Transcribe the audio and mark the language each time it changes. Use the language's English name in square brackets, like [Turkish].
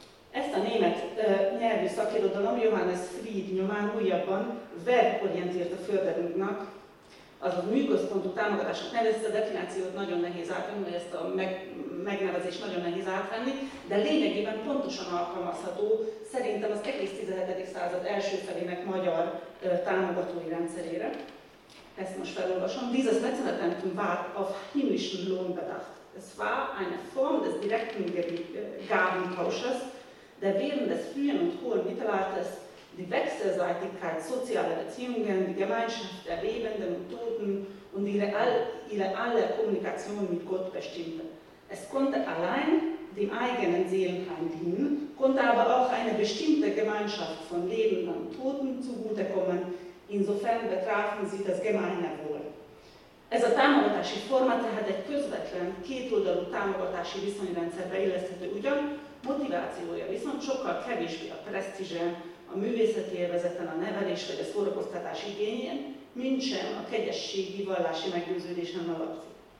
[Hungarian] Ezt a német nyelvű szakirodalom Johannes Fried nyomán újabban verb-orientiert a földerünknek, azaz műközpontú támogatásnak nevezte, a definíciót nagyon nehéz átvenni, ezt a megnevezést nagyon nehéz átvenni, de lényegében pontosan alkalmazható szerintem az egész 17. század első felének magyar támogatói rendszerére. Ezt most felolvasom. [German] Dieses Mecenatentum war auf himmlischen Lohn bedacht. Es war eine Form des direkten Gabentausches, der während des frühen und hohen Mittelalters die Wechselseitigkeit sozialer Beziehungen, die Gemeinschaft der Lebenden und Toten und ihre alle Kommunikation mit Gott bestimmte. Es konnte allein dem eigenen Seelenheim dienen, konnte aber auch eine bestimmte Gemeinschaft von Lebenden und Toten zugutekommen, insofern betrafen sie das gemeine Wohl. [Hungarian] Ez a támogatási forma tehát egy közvetlen, kétoldalú támogatási viszonyrendszerbe illeszthető ugyan, motivációja viszont sokkal kevésbé a presztízsen, a művészeti élvezeten, a nevelés vagy a szórakoztatás igényén, mintsem a kegyességi vallási meggyőződésen alapszik.